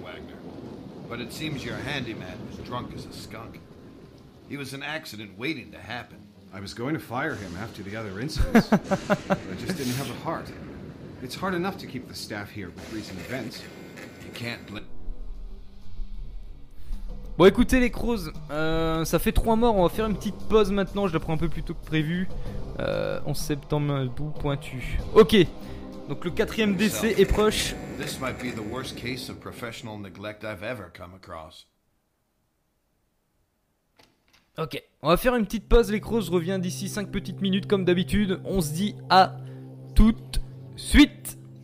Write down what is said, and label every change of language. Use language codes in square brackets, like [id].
[en] Wagner, but it seems your handyman was drunk as a skunk. He was an accident waiting to happen. I was going to fire him after the other incidents, but I just didn't have a heart. It's hard enough to keep the staff here with recent events. You can't blame... [fr] Bon, écoutez les Crows, ça fait 3 morts, on va faire une petite pause maintenant, je la prends un peu plus tôt que prévu. 11 septembre, bout pointu. Ok. Donc le quatrième décès est proche. [en] This might be the worst case of professional neglect I've ever come across. [fr] Ok, on va faire une petite pause les Crows, je reviens d'ici 5 petites minutes comme d'habitude. On se dit à tout de suite.